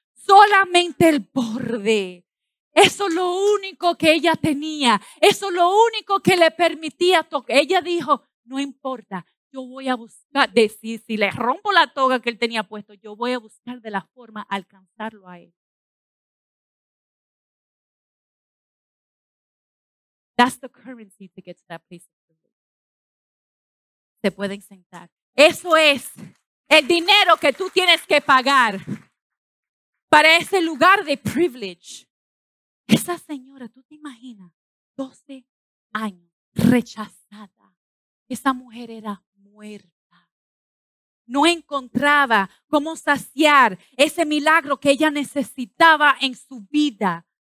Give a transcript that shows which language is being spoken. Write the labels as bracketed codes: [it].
[es] Solamente el borde. Eso es lo único que ella tenía. Eso es lo único que le permitía tocar. Ella dijo, no importa, yo voy a buscar. Si le rompo la toga que él tenía puesto, yo voy a buscar de la forma alcanzarlo a él. [en] That's the currency to get to that place of privilege. [es] Se pueden sentar. Eso es el dinero que tú tienes que pagar para ese lugar de privilege. Esa señora, ¿tú te imaginas? 12 años, rechazada. Esa mujer era muerta. No encontraba cómo saciar ese milagro que ella necesitaba en su vida.